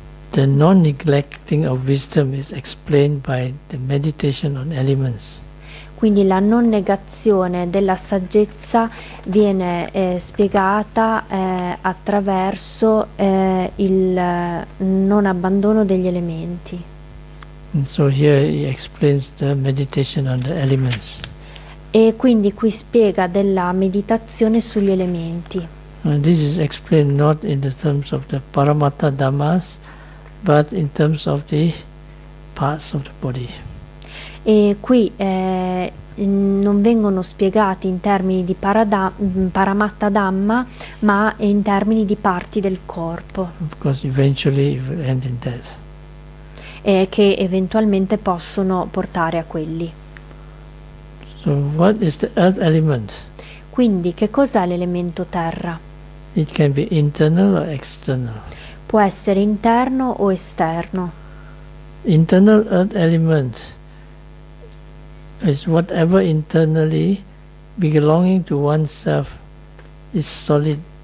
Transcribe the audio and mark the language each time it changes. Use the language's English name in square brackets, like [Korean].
[English] The non-neglecting of wisdom is explained by the meditation on elements. [Italian] Quindi la non negazione della saggezza viene spiegata attraverso il non abbandono degli elementi. [English] And so here he explains the meditation on the elements. [Italian] E quindi qui spiega della meditazione sugli elementi. [English] And this is explained not in the terms of the Paramatta Dhammas, but in terms of the parts of the body. [Italian] E qui non vengono spiegati in termini di paramatta dhamma, ma in termini di parti del corpo. [English] Of course, eventually it will end in death. [Italian] E che eventualmente possono portare a quelli. [English] So what is the earth element? [Italian] Quindi, che cos'è l'elemento terra? Può [English] It can be internal or external. [Italian] essere interno o esterno? [English] Internal earth element is whatever internally belonging to oneself is solid.